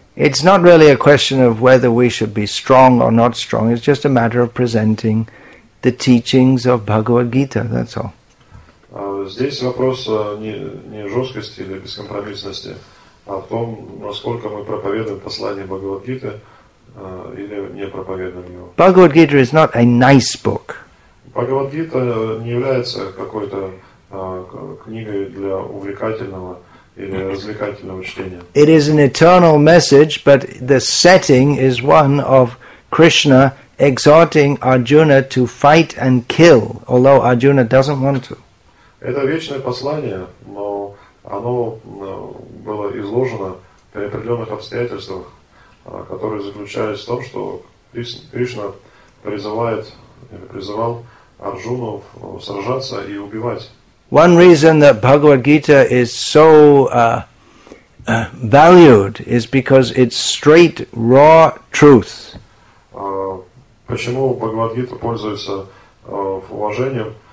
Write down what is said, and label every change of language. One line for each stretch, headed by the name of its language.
English: It's not really a question of whether we should be strong or not strong. It's just a matter of presenting the teachings of Bhagavad Gita. That's all.
Russian: Здесь вопрос не жесткости или бескомпромиссности, а в том, насколько мы проповедуем послание Бхагавад Гиты или не проповедуем его.
English: Bhagavad Gita is not a nice book.
Russian: Bhagavad Gita не является какой-то книгой для увлекательного
English: It is an eternal message, but the setting is one of Krishna exhorting Arjuna to fight and kill, although Arjuna doesn't want to.
Russian: Это вечное послание, но оно было изложено при определенных обстоятельствах, которые заключались в том, что Кришна призывал Арджуну сражаться и убивать.
English: One reason that Bhagavad Gita is so valued is because it's straight, raw truth.
Russian: Почему Бхагавад Гита пользуется уважением?